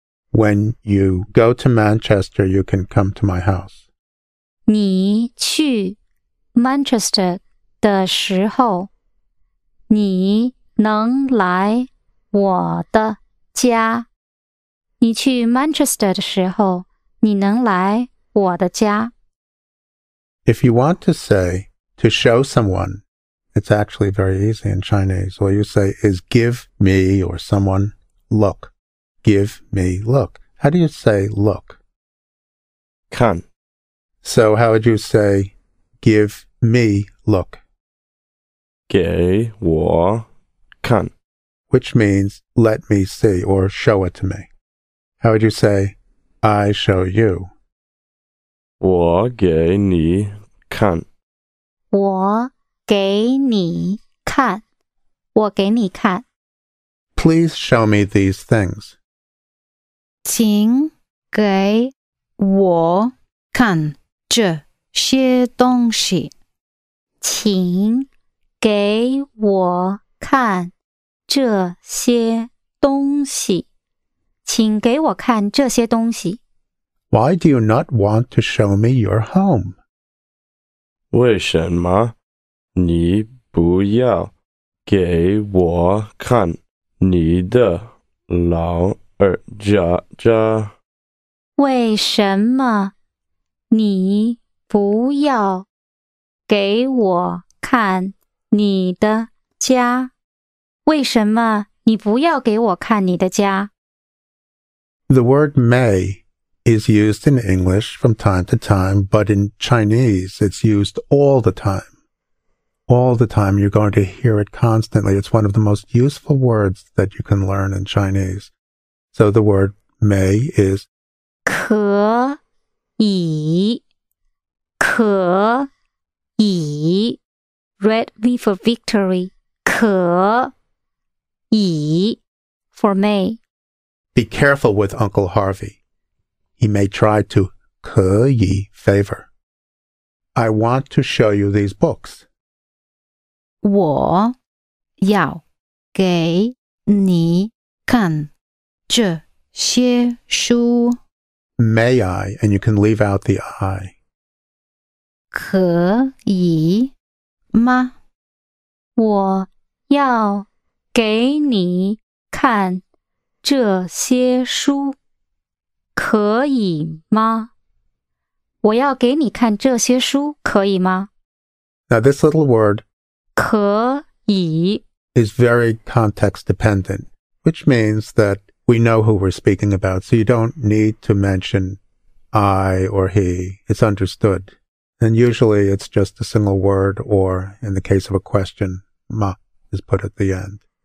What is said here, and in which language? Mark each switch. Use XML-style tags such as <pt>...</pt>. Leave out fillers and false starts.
<en>When you go to Manchester, you can come to my house.</en> <zh>你去 Manchester 的时候你能来我的家你去 Manchester 的时候你能来我的家</zh> <en>If you want to say, to show someone, it's actually very easy in Chinese. What you say is give me or someone look. Give me look. How do you say look?</en> <zh>看</zh> <en>So how would you say give me look?</en> <zh>给我看</zh> <en>Which means let me see or show it to me. How would you say I show you?</en> <zh>我给你看我给你看我给你看</zh> <en>Please show me these things.</en> <zh>请给我看这些东西请给我看这些东西请给我看这些东西</zh> <en>Why do you not want to show me your home?</en> <zh>为什么你不要给我看你的老二家家？为什么你不要给我看你的家？为什么你不要给我看你的家？</zh> <en>The word may is used in English from time to time, but in Chinese, it's used all the time. All the time, you're going to hear it constantly. It's one of the most useful words that you can learn in Chinese. So the word may is</en> <zh>可以可以</zh> <en>Red V for victory.</en> <zh>可以</zh> <en>for may. Be careful with Uncle Harvey. He may try to 可以 favor. I want to show you these books.</en> <zh>我要给你看这些书</zh> <en>May I? And you can leave out the I.</en> <zh>可以吗? 我要给你看这些书可以吗? 我要给你看这些书可以吗?</zh> <en>Now this little word</en> <zh>可以</zh> <en>is very context dependent, which means that we know who we're speaking about, so you don't need to mention I or he. It's understood. And usually it's just a single word or, in the case of a question, ma is put at the end.</en>